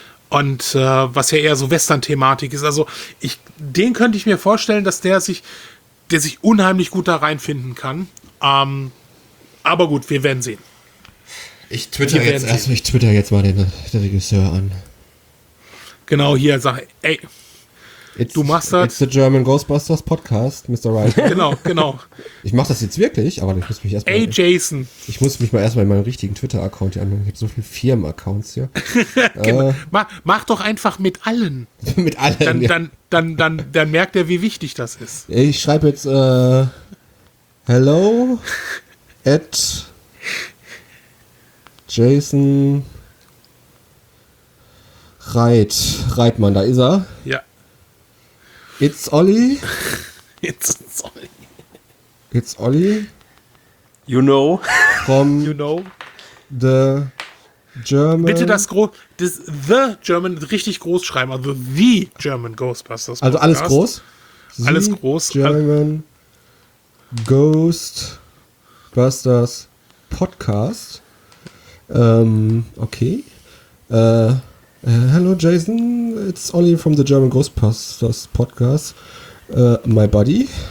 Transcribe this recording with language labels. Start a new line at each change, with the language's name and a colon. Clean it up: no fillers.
German: Und was ja eher so Western-Thematik ist. Also den könnte ich mir vorstellen, dass der sich unheimlich gut da reinfinden kann. Aber gut, wir werden sehen. Ich twitter jetzt mal den Regisseur an. Genau, hier sag ich, ey, du machst das.
English: It's the German Ghostbusters Podcast, Mr. Wright.
German: Genau. Ich mach das jetzt wirklich, aber ich muss mich erstmal. Ey, Jason. Ich muss mich mal erstmal in meinen richtigen Twitter-Account hier anmelden. Ich habe so viele Firmen-Accounts hier. mach doch einfach mit allen. Mit allen. Dann merkt er, wie wichtig das ist. Ich schreibe jetzt
English: hello at
German: Jason Wright. Reitmann, da ist er. Ja.
English: It's Olli. It's Olli. It's Olli. You know. From you know. The German.
German: Bitte das The German richtig groß schreiben. Also The German Ghostbusters. Also Podcast. Alles groß. The alles groß.
English: German Ghostbusters Podcast. Okay. Hello Jason, it's Olli from the German Ghostbusters Podcast, my buddy.